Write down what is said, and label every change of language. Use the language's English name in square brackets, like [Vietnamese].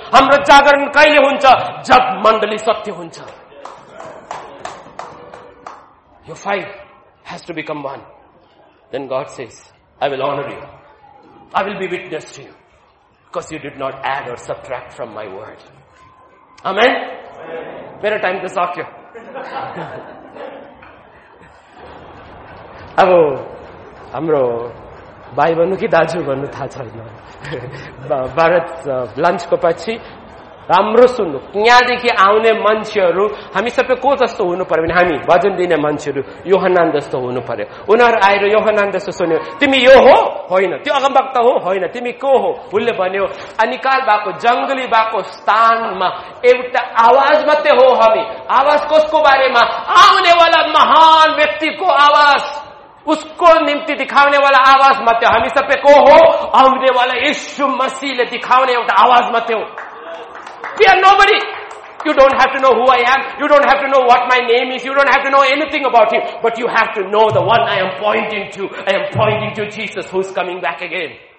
[Nepali] हाम्रो जागरण कहिले हुन्छ जब मण्डली सत्य हुन्छ। [English] यो 5 has to become 1 then God says I will honor you, I will be witness to you because you did not add or subtract from my word. [Nepali] Amen. मेरो time त सक्यो। अब हाम्रो भाइ भन्नु कि दाजु भन्नु थाहा छैन भारत लन्चको पछि राम्रो सुन्नु यहाँदेखि आउने मान्छेहरू हामी सबै को जस्तो हुनु पर्यो भने हामी भजन दिने मान्छेहरू योहन्नान जस्तो हुनु पर्यो। उनीहरू आएर योहन्नान जस्तो सुन्यो तिमी यो हो होइन त्यो अगमभक्त हो होइन तिमी को हो उसले भन्यो अनि काल भएको जङ्गली भएको स्थानमा एउटा आवाज मात्रै हो हामी आवाज कसको बारेमा आउनेवाला महान व्यक्तिको आवाज उसको निम्ति दिखाउने वाला आवाज मात्रै हामी सबै को हो आउनेवाला यीशु मसीहले दिखाउने एउटा आवाज मात्रै हो। [English] Fear nobody. You don't have to know who I am. You don't have to know what my name is. You don't have to know anything about him. But you have to know the one I am pointing to. I am pointing to Jesus who is coming back again.